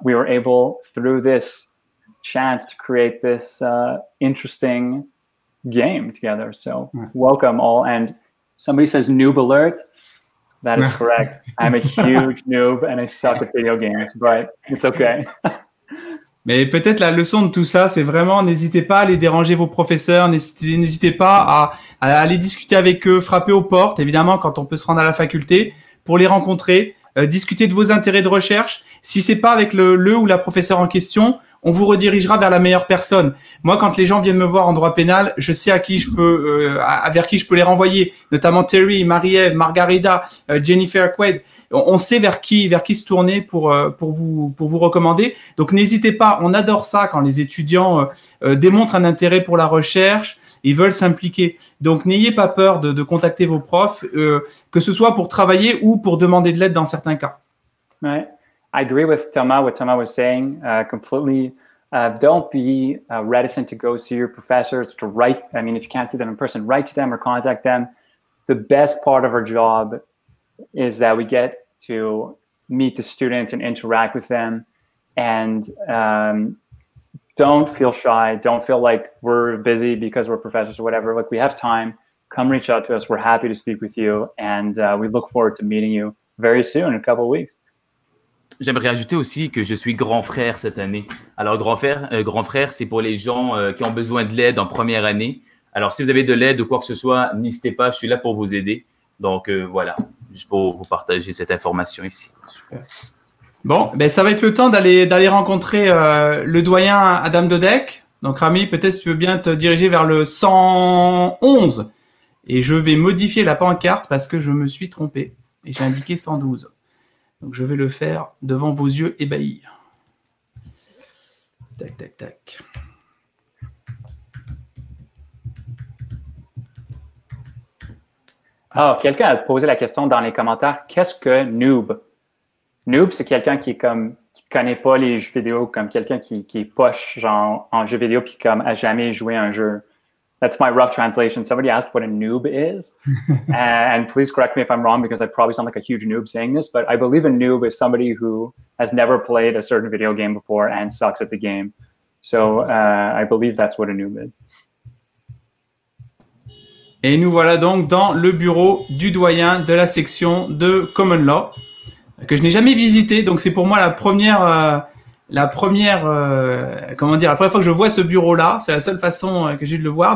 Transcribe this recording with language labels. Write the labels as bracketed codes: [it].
[en] We were able, through this chance, to create this interesting game together. So welcome all. And somebody says noob alert. That is correct. I'm a huge noob and I suck at video games, but it's okay. [fr] Mais peut-être la leçon de tout ça, c'est vraiment, n'hésitez pas à aller déranger vos professeurs, n'hésitez pas à aller discuter avec eux, frapper aux portes, évidemment, quand on peut se rendre à la faculté, pour les rencontrer, discuter de vos intérêts de recherche. Si c'est pas avec le ou la professeure en question, on vous redirigera vers la meilleure personne. Moi, quand les gens viennent me voir en droit pénal, je sais à qui je peux, vers qui je peux les renvoyer, notamment Terry, Marie-Ève, Margarida, Jennifer Quaid. On sait vers qui se tourner pour vous recommander. Donc, n'hésitez pas. On adore ça quand les étudiants démontrent un intérêt pour la recherche. Ils veulent s'impliquer. Donc, n'ayez pas peur de contacter vos profs, que ce soit pour travailler ou pour demander de l'aide dans certains cas. Ouais. [en] I agree with Thomas, what Thomas was saying completely. Don't be reticent to go see your professors, to write. I mean, if you can't see them in person, write to them or contact them. The best part of our job is that we get to meet the students and interact with them. And don't feel shy. Don't feel like we're busy because we're professors or whatever. Like, we have time. come reach out to us. We're happy to speak with you, and we look forward to meeting you very soon in a couple of weeks. [fr] J'aimerais ajouter aussi que je suis grand frère cette année. Alors grand frère, c'est pour les gens qui ont besoin de l'aide en première année. Alors si vous avez de l'aide ou quoi que ce soit, n'hésitez pas, je suis là pour vous aider. Donc voilà, juste pour vous partager cette information ici. Bon, ben ça va être le temps d'aller rencontrer le doyen Adam Dodek. Donc Rami, peut-être si tu veux bien te diriger vers le 111. Et je vais modifier la pancarte parce que je me suis trompé et j'ai indiqué 112. Donc je vais le faire devant vos yeux ébahis. Tac, tac, tac. Oh, quelqu'un a posé la question dans les commentaires. Qu'est-ce que noob? Noob, c'est quelqu'un qui est comme qui connaît pas les jeux vidéo, comme quelqu'un qui est poche genre en jeux vidéo puis comme a jamais joué à un jeu. [en] That's my rough translation. Somebody asked what a noob is, and please correct me if I'm wrong because I probably sound like a huge noob saying this, but I believe a noob is somebody who has never played a certain video game before and sucks at the game. So I believe that's what a noob is. [fr] Et nous voilà donc dans le bureau du doyen de la section de Common Law, que je n'ai jamais visité. Donc, c'est pour moi la première fois que je vois ce bureau-là. C'est la seule façon que j'ai de le voir.